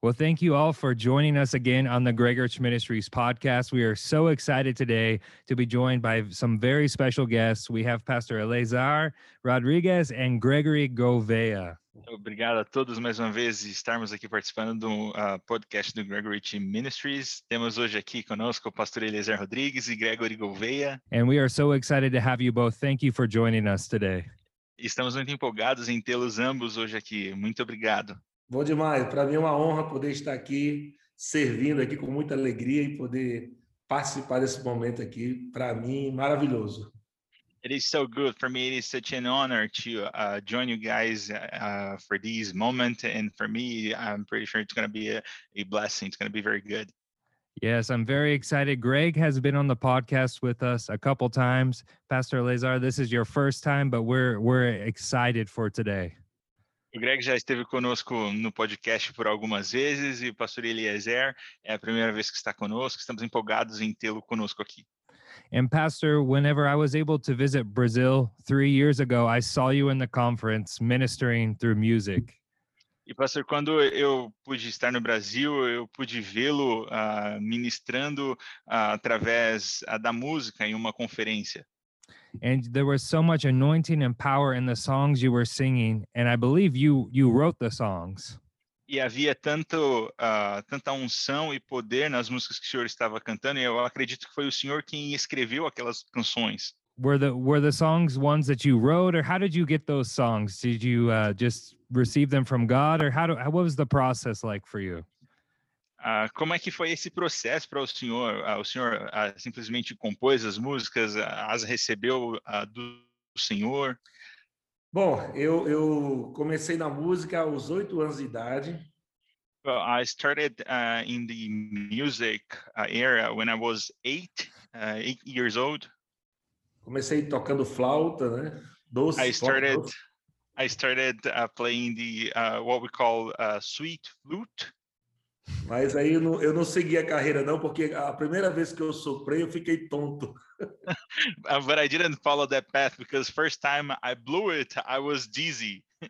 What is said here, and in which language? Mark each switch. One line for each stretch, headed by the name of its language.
English: Well, thank you all for joining us again on the Gregorich Ministries podcast. We are so excited today to be joined by some very special guests. We have Pastor Eleazar Rodriguez and Gregory Gouveia.
Portuguese: Obrigado a todos mais uma vez estarmos aqui participando do podcast do Gregorich Ministries. Temos hoje aqui conosco o Pastor Eleazar Rodriguez e Gregory Gouveia.
English: And we are so excited to have you both. Thank you for joining us today.
Portuguese: Estamos muito empolgados em tê-los ambos hoje aqui. Muito obrigado. Bom demais. Para mim é uma honra poder estar aqui, servindo aqui com muita alegria e poder participar desse momento aqui. Para mim, maravilhoso.
English: It is so good for me. It is such an honor to join you guys for this moment. And for me, I'm pretty sure it's going to be a blessing. It's going to be very good. Yes, I'm very excited. Greg has been on the podcast with us a couple times. Pastor Eleazar, this is your first time, but we're excited for today.
Portuguese: O Greg já esteve conosco no podcast por algumas vezes e o pastor Eliezer é a primeira vez que está conosco. Estamos empolgados em tê-lo conosco aqui.
English: And pastor, whenever I was able to visit Brazil 3 years ago, I saw you in the conference ministering through music.
Portuguese: E pastor, quando eu pude estar no Brasil, eu pude vê-lo ministrando através da música em uma conferência.
English: And there was so much anointing and power in the songs you were singing, and I believe you wrote the songs.
Portuguese: E havia tanto tanta unção e poder nas músicas que o senhor estava cantando, e eu acredito que foi o senhor quem escreveu aquelas canções.
English: Were the songs ones that you wrote, or how did you get those songs? Did you just receive them from God, or what was the process like for you?
Portuguese: Como é que foi esse processo para o senhor? O senhor simplesmente compôs as músicas, as recebeu do senhor? Bom, eu comecei na música aos 8 anos de idade.
English: Well, I started in the music era when I was 8 years old.
Portuguese: Comecei tocando flauta, né? Doce.
English: I started playing the what we call sweet flute.
Portuguese: Mas aí eu não segui a carreira não, porque a primeira vez que eu soprei, eu fiquei tonto.
English: But I didn't follow that path, because first time I blew it, I was dizzy.